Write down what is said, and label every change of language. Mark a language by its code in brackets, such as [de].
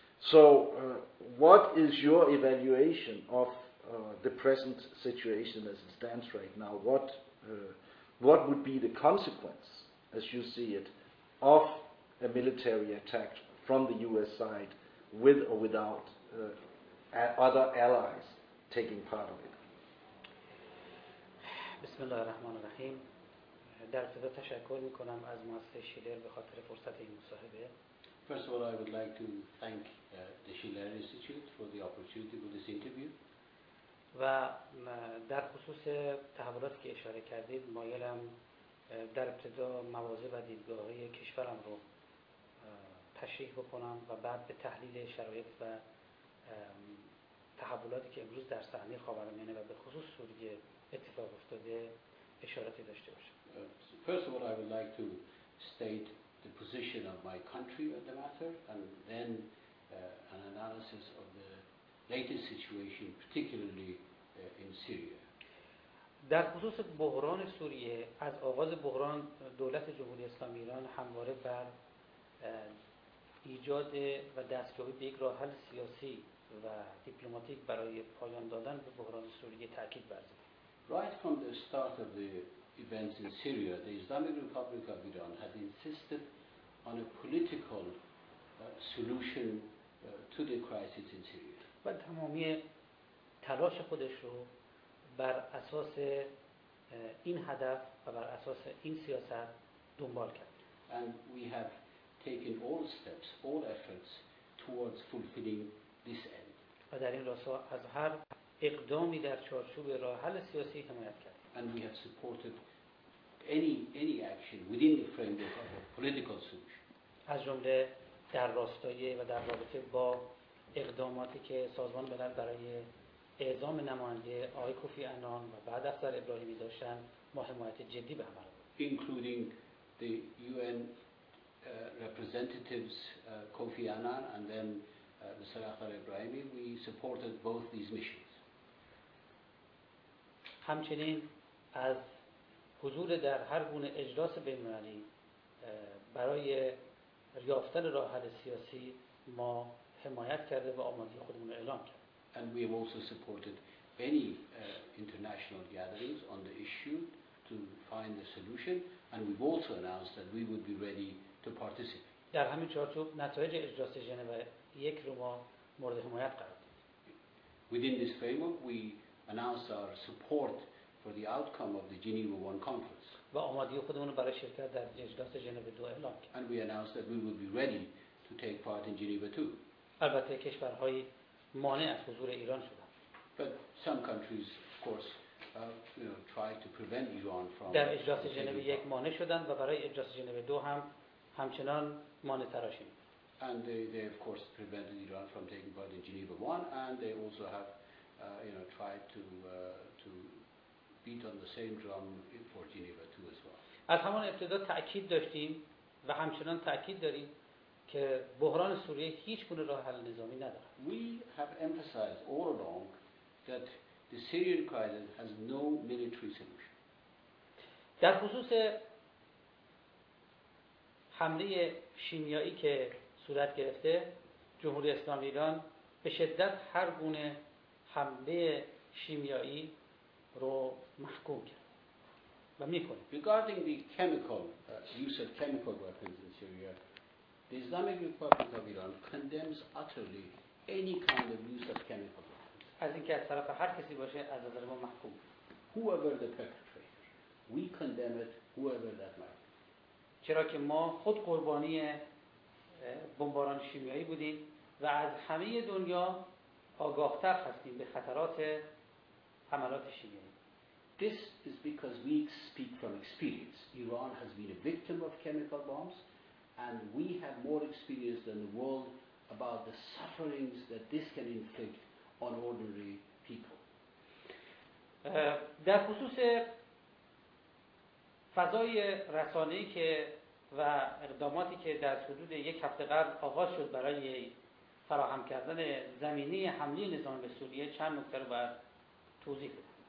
[en] So what is your evaluation of the present situation as it stands right now? What would be the consequence, as you see it, of a military attack from the US side, with or without other allies taking part of it? [ar] Bismillah ar-Rahman ar-Rahim. [fa] در ابتدا تشکر میکنم از مؤسسه شیلر به خاطر فرصت این مصاحبه. [en] First of all, I would like to thank the Schiller Institute for the opportunity for this interview. [fa] و در خصوص تحولاتی که اشاره کردید، مایلم در ابتدا مواضع و دیدگاه‌های کشورم رو تشریح بکنم و بعد به تحلیل شرایط و تحولاتی که امروز در صحنه خاورمیانه و به خصوص سوریه اتفاق افتاده اشاراتی داشته باشم. [en] First of all, I would like to state the position of my country on the matter and then an analysis of the latest situation, particularly in Syria. [fa] در خصوص بحران سوریه، از آغاز بحران دولت جمهوری اسلامی ایران همواره بر ایجاد و دستیابی به یک راه حل سیاسی و دیپلماتیک برای پایان دادن به بحران سوریه تاکید ورزید. [en] Right from the start of the events in Syria, the Islamic Republic of Iran had insisted on a political solution to the crisis in Syria. [fa] و تمامی تلاش خودش رو بر اساس این هدف و بر اساس این سیاست دنبال کرد. [en] And we have taken all steps, all efforts towards fulfilling this end. [fa] و در این راستا از هر اقدامی در چارچوب راه حل سیاسی حمایت کرد. [en] And we have supported any action within the framework of a political solution. [fa] از جمله در راستای و در رابطه با اقداماتی که سازمان ملل برای اعزام نماینده آقای کوفی انان و بعد افسر ابراهیمی داشتن ما حمایت جدی به عمل آورد. [en] Including the UN representatives Kofi Annan and then Mr. Afzal Ibrahimi, we supported both these missions. [fa] همچنین از حضور در هر گونه اجلاس بین‌المللی برای یافتن راه حل سیاسی ما حمایت کرده و آمادگی خودمون رو اعلام کرد. [en] And we have also supported any international gatherings on the issue to find the solution, and we've also announced that we would be ready to participate. [fa] در همین چارچوب نتایج اجلاس ژنو یک رو ما مورد حمایت قرار دادیم. [en] Within this framework, we announced our support for the outcome of the Geneva One conference. [fa] و آمادگی خودمون رو برای شرکت در اجلاس ژنو دو اعلام کردیم. [en] And we announced that we would be ready to take part in Geneva Two. [fa] البته کشورهای مانع از حضور ایران شدند. [en] But some countries, of course, tried to prevent Iran from. [fa] در اجلاس ژنو یک مانع شدند و برای اجلاس ژنو دو هم همچنان مانع تراشی. [en] And they of course prevented Iran from taking part in Geneva One, and they also have, tried to beat on the same drum for Geneva Two as well. [fa] از همان ابتدا تأکید داشتیم و همچنان تأکید داریم که بحران سوریه هیچ گونه راه حل نظامی ندارد. [en] We have emphasized all along that the Syrian crisis has no military solution. [fa] در خصوص حمله شیمیایی که صورت گرفته، جمهوری اسلامی ایران به شدت هر گونه حمله شیمیایی رو محکوم کرد. و میکنه. [en] Regarding the chemical use of chemical weapons in Syria, the Islamic Republic of Iran condemns utterly any kind of use of chemical weapons. [fa] از اینکه از طرف هر کسی باشه از نظر ما محکوم. [en] Whoever the perpetrator, we condemn it, whoever that might be. [fa] چرا که ما خود قربانی بمباران شیمیایی بودیم و از همه دنیا آگاه‌تر هستیم به خطرات حملات شیمیایی. [en] This is because we speak from experience. Iran has been a victim of chemical bombs. And we have more experience than the world about the sufferings that this can inflict on ordinary people. [fa] در خصوص فضای رسانه‌ای که و اقداماتی که در حدود یک هفته قبل آغاز شد برای فراهم کردن زمینه حمله نظام به سوریه چند نکته رو باید توضیح بدم.